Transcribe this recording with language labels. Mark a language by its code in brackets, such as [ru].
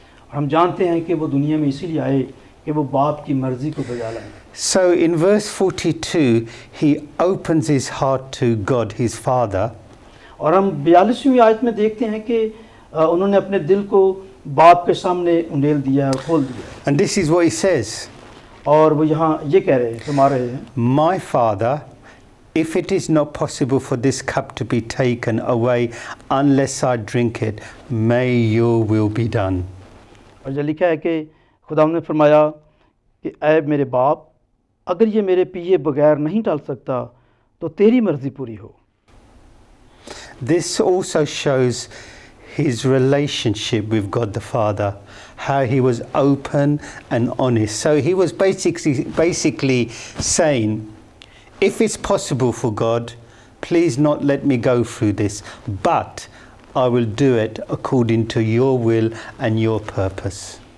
[hi] और हम जानते हैं कि वो दुनिया में इसीलिए आए कि वो बाप की मर्जी को बजा लाए. [en] So in verse 42, he opens his heart to God, his Father. [hi] और हम 42वीं आयत में देखते हैं कि उन्होंने अपने दिल को बाप के सामने उंडेल दिया और खोल दिया. [en] And this is what he says. [hi] और वो यहाँ ये कह रहे हैं सुना रहे हैं. [en] My Father, if it is not possible for this cup to be taken away unless I drink it, may your will be done. [hi] और ये लिखा है कि खुदा ने फरमाया कि ऐ मेरे बाप अगर ये मेरे पिए बगैर नहीं टाल सकता तो तेरी मर्जी पूरी हो. [en] This also shows his relationship with God the Father, how he was open and honest. So he was basically saying, if it's possible for God, please not let me go through this, but I will do it according to your will and your purpose.